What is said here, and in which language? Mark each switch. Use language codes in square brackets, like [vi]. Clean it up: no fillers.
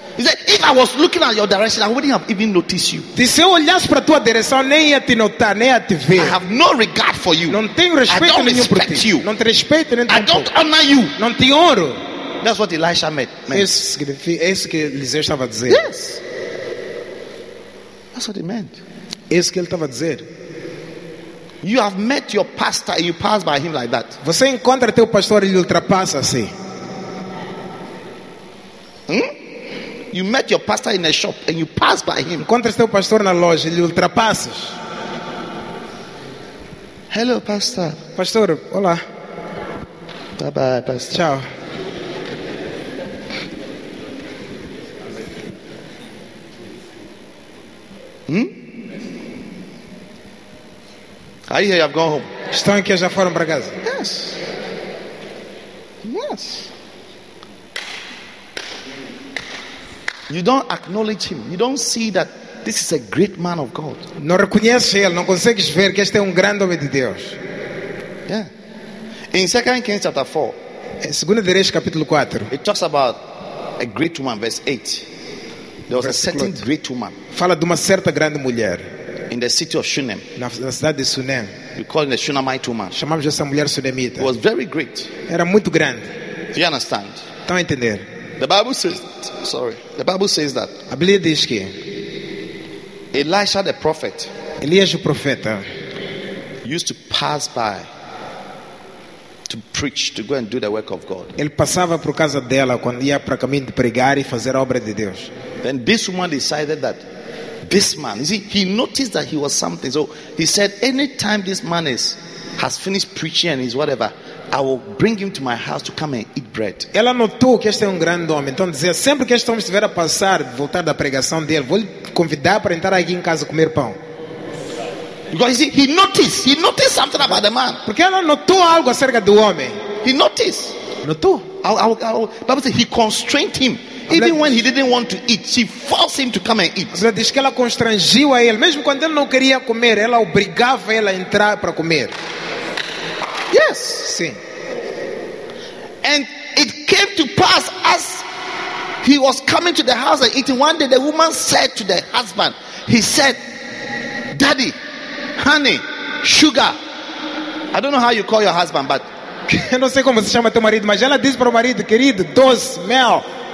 [en] He said, if I was looking at your direction, I wouldn't have even noticed you. [pt] Se eu olhasse para tua direção, nem ia te notar, nem ia te ver. [en] I have no regard for you. [pt] Não tenho respeito nenhum por ti. [en] I don't respect you. [pt] Não te respeito nem tampouco. [en] I don't honor you. [pt] Não te honro. [en] That's what Elisha meant. [pt] Isso que Eliseu estava a dizer. [en] Yes. That's what he meant. [pt] Isso que ele estava a dizer. [en] You have met your pastor and you pass by him like that. [pt] Você encontra teu pastor e ele ultrapassa assim. [en] You met your pastor in a shop and you pass by him. [pt] Encontra teu pastor na loja e ele ultrapassa. [en] Hello, pastor. [pt] Pastor, olá. [en] Bye-bye, pastor. [pt] Tchau. [en] Aí, I have gone home. [pt] Estão aqui, já foram para casa. [en] Yes. Yes. You don't acknowledge him. You don't see that this is a great man of God. [pt] Não reconheces ele, não consegues ver que este é grande homem de Deus. [en] Yeah. In 2 Kings chapter 4. [pt] Em 2 de Reis capítulo 4. [en] It talks about a great woman, verse 8. There was a certain great woman. [pt] Fala de uma certa grande mulher. [en] In the city of Shunem. [pt] Na cidade de Shunem. [en] We call her the Shunammite woman. [pt] Chamamos essa mulher Shunemita. [en] Was very great. [pt] Era muito grande. [en] Do you understand? [pt] Estão a entender? [en] The Bible says that. [pt] A Bíblia diz que [en] Elisha the prophet. [pt] Elias o profeta. [en] Used to pass by to preach, to go and do the work of God. [pt] Ele passava por casa dela quando ia para caminho de pregar e fazer a obra de Deus. [en] Then this woman decided that this man, you see, he noticed that he was something. So he said, anytime this man has finished preaching and is whatever, I will bring him to my house to come and eat bread. [pt] Ela notou que este é grande homem. Então dizia, sempre que este homem estiver a passar, voltar da pregação dele, vou lhe convidar para entrar aqui em casa comer pão. [en] Because you see, he noticed something about the man. [pt] Porque ela notou algo acerca do homem. [en] He noticed. [pt] Notou. [en] I Bible says he constrained him. Even when he didn't want to eat, she forced him to come and eat. [pt] Ela diz que ela constrangiu a ele. Mesmo quando ele não queria comer, ela obrigava ele a entrar para comer. [en] Yes. [pt] Sim. [en] And it came to pass as he was coming to the house and eating, one day the woman said to the husband, he said, Daddy, honey, sugar. I don't know how you call your husband, but [pt] eu não sei como você chama teu marido, mas ela disse para o marido, querido, doce, mel.